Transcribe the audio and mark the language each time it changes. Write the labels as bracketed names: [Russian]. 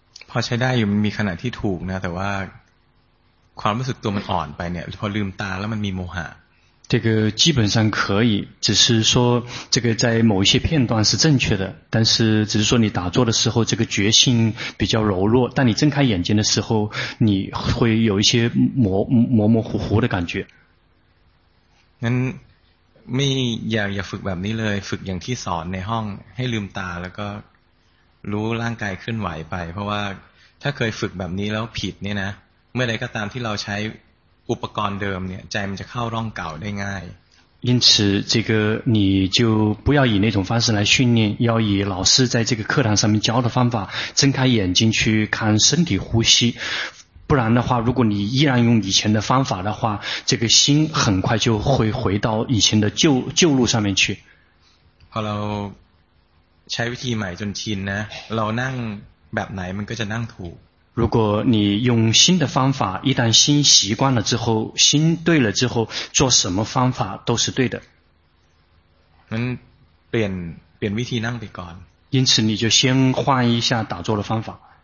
[Thai] พอใช้ได้อยู่มันมีขณะที่ถูกนะแต่ว่าความรู้สึกตัวมันอ่อนไปเนี่ยพอลืมตาแล้วมันมีโมหะ [Chinese] 这个基本上可以只是说这个在某一些片段是正确的但是只是说你打坐的时候这个觉性比较柔弱但你睁开眼睛的时候你会有一些模模糊糊的感觉 [Thai] งั้นไม่อย่าฝึกแบบนี้เลยฝึกอย่างที่สอนในห้องให้ลืมตาแล้วก็รู้ร่างกายเคลื่อนไหวไปเพราะว่าถ้าเคยฝึกแบบนี้แล้วผิดเนี่ยนะเมื่อใดก็ตามที่เราใช้อุปกรณ์เดิมเนี่ยใจมันจะเข้าร่องเก่าได้ง่าย [Chinese] 因此这个你就不要以那种方式来训练要以老师在这个课堂上面教的方法睁开眼睛去看身体呼吸不然的话如果你依然用以前的方法的话这个心很快就会回到以前的旧路上面去好了 [Thai] ใช้วิธีใหม่จนชินนะเรานั่งแบบไหนมันก็จะนั่งถูก [Chinese] 如果你用新的方法一旦心习惯了之后心对了之后做什么方法都是对的 [Thai] งั้นเปลี่ยนวิธีนั่งไปก่อน [Chinese] 因此你就先换一下打坐的方法